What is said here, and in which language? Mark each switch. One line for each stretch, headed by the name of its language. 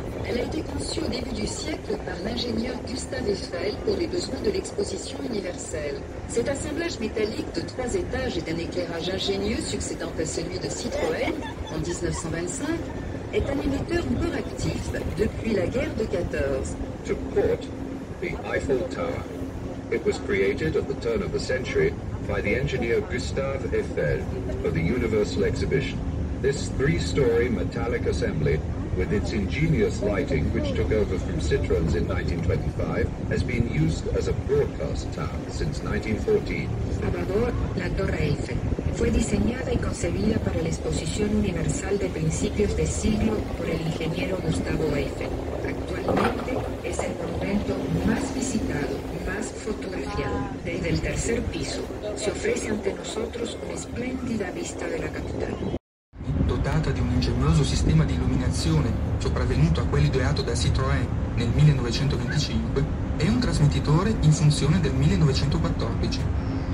French: l'ingénieur Gustave Eiffel pour les besoins de l'exposition universelle. Cet assemblage métallique de trois étages et d'un éclairage ingénieux succédant à celui de Citroën en 1925 est un émetteur encore actif depuis la guerre de 14.
English: To quote the Eiffel Tower, it was created at the turn of the century by the engineer Gustave Eiffel for the Universal Exhibition. This three-story metallic assembly, with its ingenious lighting, which took over from Citroën's in 1925, has been used as a broadcast tower since 1914.
Spanish: Salvador, la Torre Eiffel fue diseñada y concebida para la Exposición Universal de principios de siglo por el ingeniero Gustavo Eiffel. Actualmente es el monumento más visitado, más fotografiado. Desde el tercer piso se ofrece ante nosotros una espléndida vista de la capital.
Italian: Dotata di un ingegnoso sistema di illuminazione sopravvenuto a quello ideato da Citroën nel 1925, è un trasmettitore in funzione del 1914.